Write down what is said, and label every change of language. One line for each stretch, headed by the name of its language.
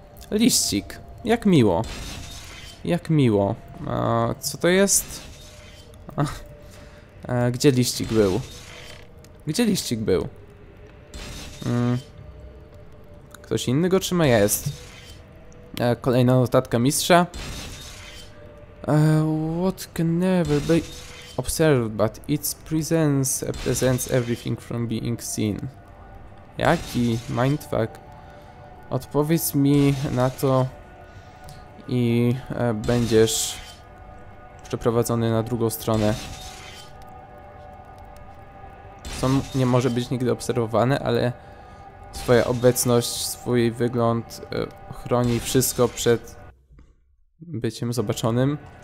Polish: Liścik. Jak miło. Jak miło. Co to jest? Gdzie liścik był? Gdzie liścik był? Ktoś inny go trzyma? Jest. Kolejna notatka mistrza.
English: What can never be observed, but it presents everything from being seen.
Polish: Jaki mindfuck. Odpowiedz mi na to i będziesz przeprowadzony na drugą stronę. Co nie może być nigdy obserwowane, ale twoja obecność, swój wygląd chroni wszystko przed byciem zobaczonym.